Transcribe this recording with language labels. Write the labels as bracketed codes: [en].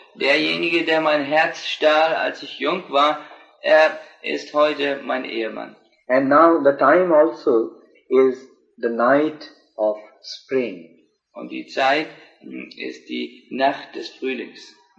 [de] Derjenige, der mein Herz stahl, als ich jung war, er ist heute mein Ehemann. [en] And now the time also is the night of spring. [de] Und die Zeit ist die Nacht des Frühlings.